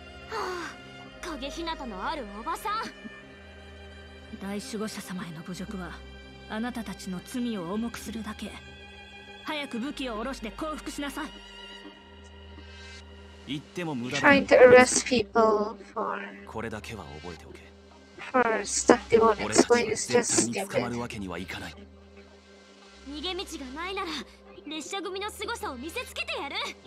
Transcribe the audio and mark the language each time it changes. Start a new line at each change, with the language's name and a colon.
Japanese: はあ、影ひなたのあるおばさん。大守護者様への侮辱はあなたたちの罪を重くするだけ。早く武器を下ろして降伏しなさい。言っても無駄だ。
English: Trying to arrest people for...
Japanese: これだけは覚えておけ。
English: For stuff they won't explain is just stupid.
Japanese: 俺たちは絶対に捕まるわけにはいかない。逃げ道がないなら列車組の凄さを見せつけてやる。